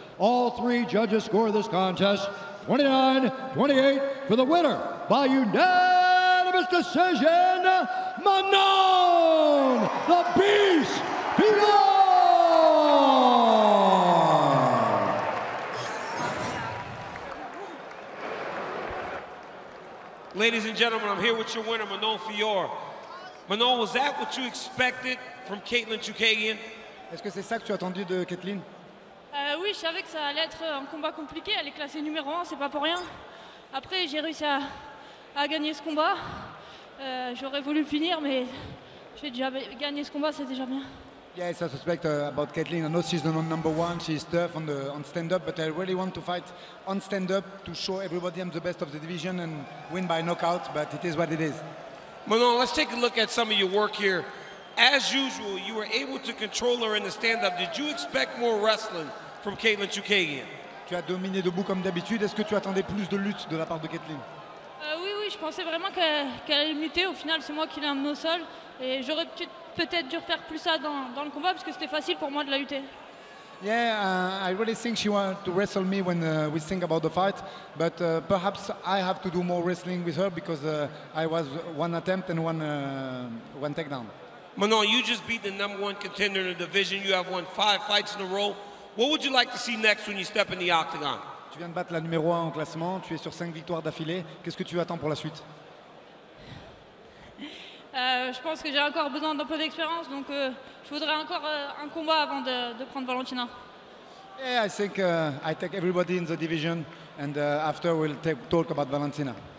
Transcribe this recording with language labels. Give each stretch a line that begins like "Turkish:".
English: All three judges score this contest 29-28 for the winner by unanimous decision, Manon the Beast Fiorot! Ladies and gentlemen, I'm here with your winner, Manon Fiorot. Manon, was that what you expected from Katlyn Chookagian?
French: Est-ce que c'est ça que tu as attendu de Katlyn? Oui, je savais que ça allait être un combat compliqué. Elle est classée numéro 1, c'est pas pour rien. Après, j'ai réussi à gagner ce combat. J'aurais voulu finir, mais j'ai déjà gagné ce combat, c'est déjà bien.
English: Yes, I suspect about Katlyn. I know she's the number one. She's tough on stand-up, but I really want to fight on stand-up to show everybody I'm the best of the division and win by knockout, but it is what it is. Manon, let's take a look at some of your work here. As usual, you were able to control her in the stand-up. Did you expect more wrestling from Katlyn Chookagian?
French: Tu as dominé debout comme d'habitude. Est-ce que tu attendais plus de lutte de la part de Katlyn? Oui, je pensais vraiment qu'elle allait lutter. Au final, c'est moi qui l'ai amené au sol. Et j'aurais peut-être dû faire plus ça dans le combat parce que c'était facile pour moi de la lutter.
English: Yeah, I really think she wanted to wrestle me when we think about the fight, but perhaps I have to do more wrestling with her because I was one attempt and one takedown. Manon, you just beat the number one contender in the division. You have won 5 fights in a row. What would you like to see next when you step in the octagon?
French: Tu viens de battre la numéro 1 en classement, tu es sur 5 victoires d'affilée. Qu'est-ce que tu attends pour la suite? Je pense que j'ai encore besoin d'un peu d'expérience, donc je voudrais encore un combat avant de prendre Valentina.
English: Yeah, I think I take everybody in the division, and after we'll talk about Valentina.